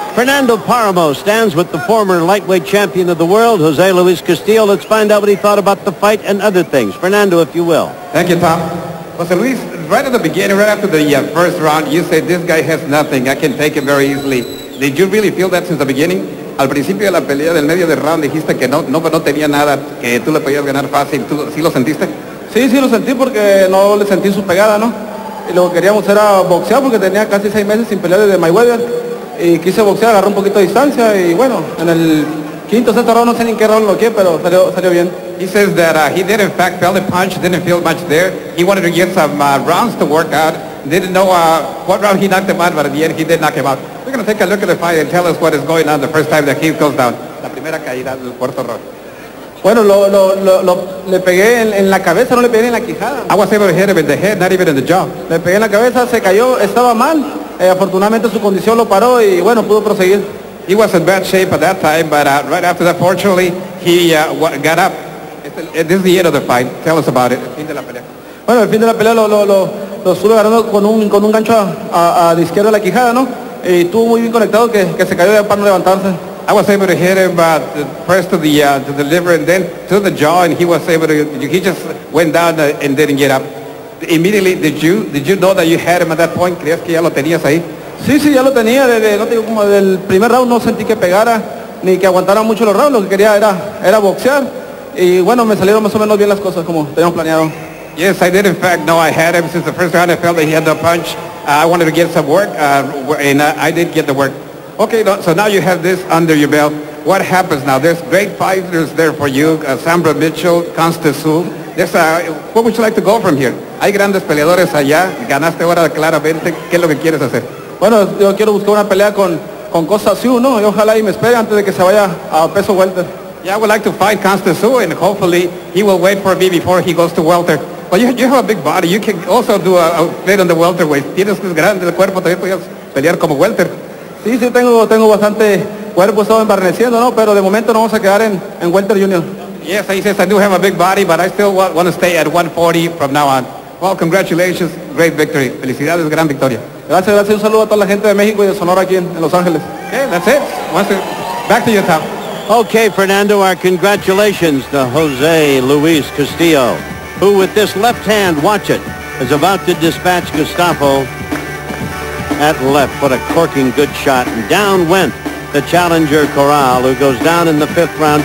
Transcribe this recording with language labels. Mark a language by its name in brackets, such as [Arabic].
[English] Fernando Paramo stands with the former lightweight champion of the world, Jose Luis Castillo. Let's find out what he thought about the fight and other things. Fernando, if you will. Thank you, Tom. Jose Luis, right at the beginning, right after the first round, you said, this guy has nothing, I can take him very easily. Did you really feel that since the beginning? [Spanish] Al principio de la pelea, del medio del round, dijiste que no tenía nada, que tú le podías ganar fácil. ¿Tú sí lo sentiste? Sí lo sentí, porque no le sentí su pegada, ¿no? Y lo que queríamos era boxear, porque tenía casi 6 meses sin pelear desde Mayweather. Y quise boxear, agarró un poquito de distancia, y bueno, en el quinto, sexto round, no sé ni en qué round lo que, pero salió bien. [English] He says that he did, in fact, felt the punch, didn't feel much there. He wanted to get some rounds to work out. Didn't know what round he knocked him out, but at the end, he did knock him out. We're going to take a look at the fight and tell us what is going on the first time that he goes down. [Spanish] La primera caída del cuarto round. Bueno, lo le pegué en la cabeza, no le pegué en la quijada. [English] I was able to hit him in the head, not even in the jaw. [Spanish] Le pegué en la cabeza, se cayó, estaba mal. Afortunadamente, su condición lo paró y, bueno, pudo proseguir. [English] He was in bad shape at that time, but right after that, fortunately, he got up. This is the end of the fight. Tell us about it. [Spanish] Bueno, el fin de la pelea lo estuve agarrando con un gancho a la izquierda de la quijada, ¿no? Y estuvo muy bien conectado que se cayó de para no levantarse. [English] I was able to hit him, but pressed to the liver and then to the jaw, and he was able to, he just went down and didn't get up. Immediately, did you know that you had him at that point? [Spanish] ¿Crees que ya lo tenías ahí? Sí, ya lo tenía. No te digo, como del primer round no sentí que pegara ni que aguantara mucho los rounds. Lo que quería era boxear. Y bueno, me salieron más o menos bien las cosas como teníamos planeado. [English] Yes, I did in fact know I had him since the first round. I felt that he had the punch. I wanted to get some work, and I did get the work. Okay, so now you have this under your belt. What happens now? There's great fighters there for you, Sambra Mitchell, Constance Su. What would you like to go from here? [Spanish] Hay grandes peleadores allá. Ganaste ahora claramente. ¿Qué es lo que quieres hacer? Bueno, yo quiero buscar una pelea con Costa Su, ¿no? Y ojalá y me espere antes de que se vaya a peso welter. [English] Yeah, I would like to fight Constance Su, and hopefully he will wait for me before he goes to welter. But you have a big body. You can also do a fight on the welterweight. [Spanish] Tienes un gran cuerpo, también puedes pelear como welter. Sí, tengo bastante cuerpo, estaba embarneciendo, ¿no? Pero de momento no vamos a quedar en welter junior. [English] Yes, he says, I do have a big body, but I still want to stay at 140 from now on. Well, congratulations, great victory. [Spanish] Felicidades, gran victoria. Gracias, un saludo a toda la gente de México y de Sonora aquí en Los Ángeles. [English] Okay, that's it. Back to you, Tom. Okay, Fernando, our congratulations to Jose Luis Castillo, who with this left hand, watch it, is about to dispatch Gustavo at left. What a corking good shot. And down went the challenger, Corral, who goes down in the fifth round.